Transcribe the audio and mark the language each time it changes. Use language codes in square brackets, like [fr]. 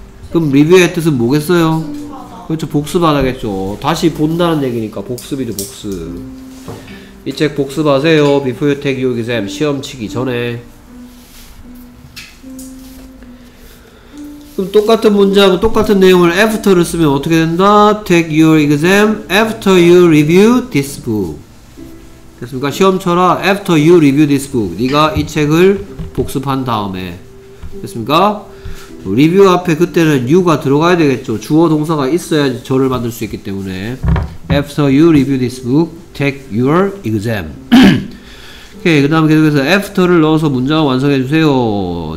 [ko] 그럼 리뷰의 뜻은 뭐겠어요? 그렇죠. 복습하다겠죠. 다시 본다는 얘기니까 복습이죠. 복습. 이 책 복습하세요. [en] Before you take your exam. [ko] 시험 치기 전에. 그럼 똑같은 문장, 똑같은 내용을 after를 쓰면 어떻게 된다? [en] Take your exam after you review this book. [ko] 됐습니까? 시험 쳐라. [en] After you review this book. [ko] 네가 이 책을 복습한 다음에. 됐습니까? 리뷰 앞에 그때는 you가 들어가야 되겠죠. 주어 동사가 있어야지 저를 만들 수 있기 때문에. [en] After you review this book, take your exam. [ko] 오케이, 그 다음에 계속해서 after를 넣어서 문장을 완성해 주세요.